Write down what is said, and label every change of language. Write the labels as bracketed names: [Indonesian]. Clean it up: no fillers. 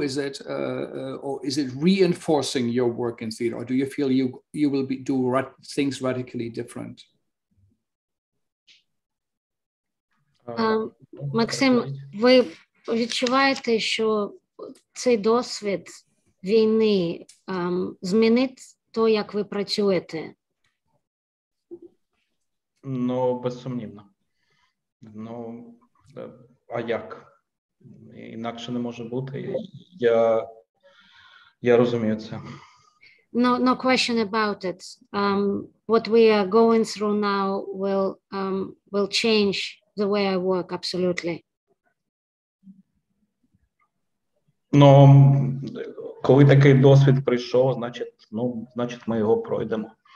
[English] Is it or is it reinforcing your work in theater? Or do you feel you will be do things radically different? [Ukrainian] Maxim, ви відчуваєте, що цей досвід війни змінить то, як ви працюєте? Ну, безсумнівно. Ну, а як? Інакше не може бути. Я розумію це. [English] No question about it. What we are going through now will change the way I work absolutely. [Ukrainian] Ну, коли такий досвід прийшов, значить ми його пройдемо.